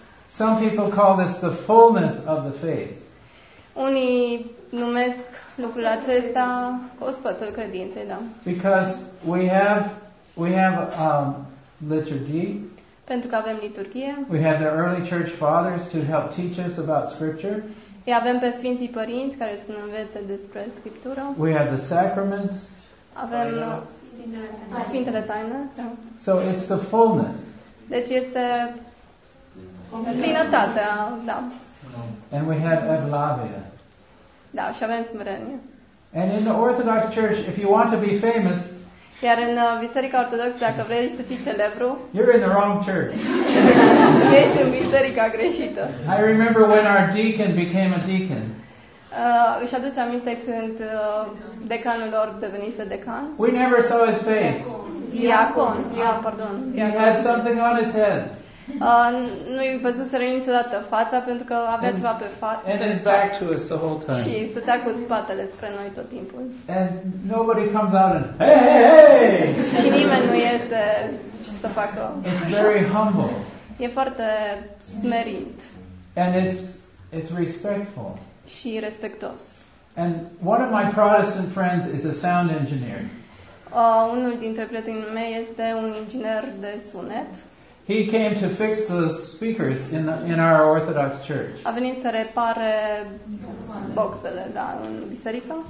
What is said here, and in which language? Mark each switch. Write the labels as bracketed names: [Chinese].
[English] Some people call this the fullness of the faith. [Romanian] Unii numesc lucrul acesta ospățul credinței, da. [English] Because we have liturgy. [Romanian] Pentru că avem liturghie. [English] We have the early church fathers to help teach us about scripture. [Romanian] Și avem pe sfinții părinți care să ne învețe despre scriptură. [English] We have the sacraments. [Romanian] Avem sfintele taine. [English] So it's the fullness. [Romanian] Deci este plinătatea, da. [English] And we have Evlavia. [Romanian] Da, și avem smerenie. [English] And in the Orthodox Church, if you want to be famous, [Romanian] iar în Biserica Ortodoxă, dacă vrei să fii celebru, [English] you're in the wrong church. [Romanian] Ești în biserica greșită. [English] I remember when our deacon became a deacon. [Romanian] Își aduce aminte când decanul lor devenise decan. [English] We never saw his face. [Romanian] Diacon. [English] He had something on his head. [Romanian] Nu îi văzusem niciodată fața pentru că avea ceva pe față. [English] And his back to us the whole time. [Romanian] Și stătea cu spatele spre noi tot timpul. [English] And nobody comes out and hey. [Romanian] Și nimeni nu iese și să facă. [English] It's very humble. [Romanian] E foarte smerit. [English] And it's respectful. [Romanian] Și respectos. [English] And one of my Protestant friends is a sound engineer. [Romanian] Unul dintre prietenii mei este un inginer de sunet. [English] He came to fix the speakers in our Orthodox church. [Romanian] A venit să repare boxele, da, în biserică.